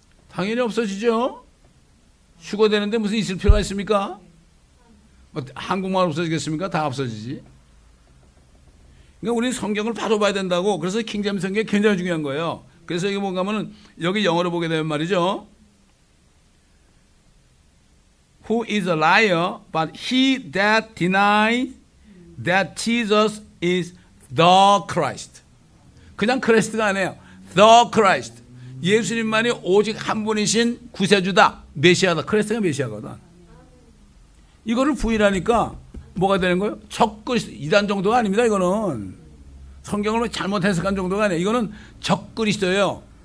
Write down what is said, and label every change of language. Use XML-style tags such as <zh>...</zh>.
<ko>당연히 없어지죠? 휴거되는데 무슨 있을 필요가 있습니까? 한국만 없어지겠습니까? 다 없어지지. 그러니까 우리는 성경을 바로 봐야 된다고. 그래서 킹제임스 성경이 굉장히 중요한 거예요. 그래서 이게 뭔가 하면 여기 영어로 보게 되면 말이죠.</ko> <en>Who is a liar but he that denies that Jesus is the Christ.</en> <ko>그냥 크리스트가 아니에요.</ko> <en>The Christ.</en> <ko>예수님만이 오직 한 분이신 구세주다. 메시아다. 크리스트가 메시아거든. 이거를 부인하니까 뭐가 되는 거예요? 적그리스도. 이단 정도가 아닙니다, 이거는. 성경을 잘못 해석한 정도가 아니에요. 이거는 적그리스도예요.</ko>